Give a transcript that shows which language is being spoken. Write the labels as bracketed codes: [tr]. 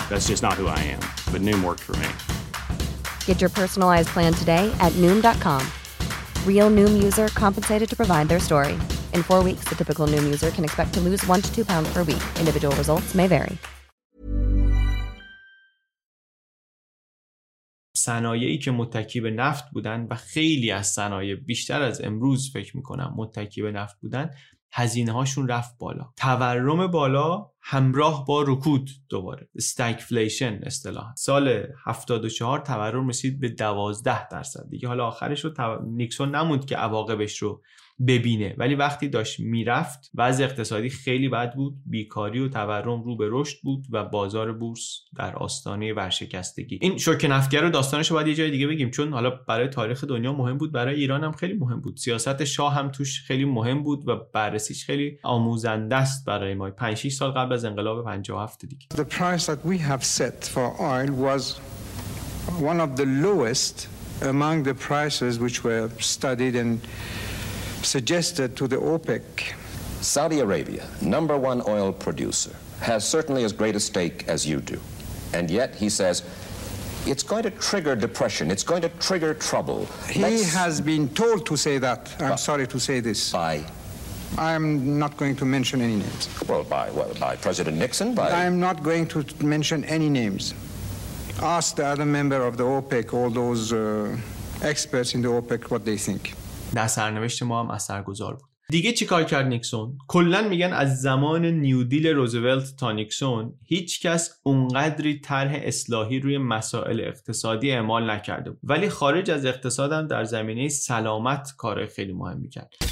[en] That's just not who I am. But Noom worked for me. Get your personalized plan today at Noom.com. Real Noom user compensated to provide their story. In 4 weeks, the typical Noom user can expect to lose 1 to 2 pounds per week. Individual results may vary. [fa] صنایعی که متکی به نفت بودن و خیلی از صنایع بیشتر از امروز فکر میکنم متکی به نفت بودن، هزینه هاشون رفت بالا. تورم بالا همراه با رکود دوباره، استگفلیشن اصطلاحا. سال 74 تورم رسید به 12%. دیگه حالا آخرش رو نیکسون نموند که عواقبش رو ببینه، ولی وقتی داشت میرفت وضع اقتصادی خیلی بد بود، بیکاری و تورم رو به رشد بود و بازار بورس در آستانه ورشکستگی. این شوک نفتی رو داستانش رو باید یه جای دیگه بگیم، چون حالا برای تاریخ دنیا مهم بود، برای ایران هم خیلی مهم بود، سیاست شاه هم توش خیلی مهم بود و بررسیش خیلی آموزنده است برای ما. 5 6 سال قبل از انقلاب 57 دیگه. [en] The price that we have set for oil was one of the lowest among the prices which were studied and suggested to the OPEC. Saudi Arabia, number one oil producer, has certainly as great a stake as you do. And yet he says, it's going to trigger depression, it's going to trigger trouble. He has been told to say that. I'm sorry to say this. By? I'm not going to mention any names. Well, by President Nixon? I'm not going to mention any names. Ask the other member of the OPEC, all those experts in the OPEC, what they think. [fa] در سرنوشت ما هم اثرگذار بود. دیگه چی کار کرد نیکسون؟ کلن میگن از زمان نیو دیل روزولت تا نیکسون هیچ کس اونقدری طرح اصلاحی روی مسائل اقتصادی اعمال نکرده بود. ولی خارج از اقتصادم در زمینه سلامت کار خیلی مهم میکرد.